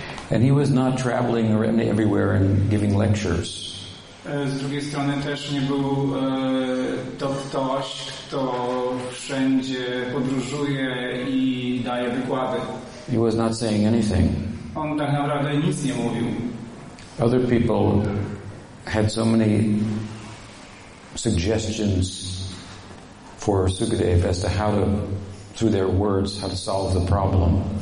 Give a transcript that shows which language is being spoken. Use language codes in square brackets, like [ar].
[en] And he was not traveling around everywhere and giving lectures. [pl] Z drugiej strony też nie był to ktoś, kto wszędzie podróżuje i daje wykłady. [en] He was not saying anything. [pl] On tak naprawdę nic nie mówił. [en] Other people had so many suggestions for Sukadeva as to how to, through their words, how to solve the problem.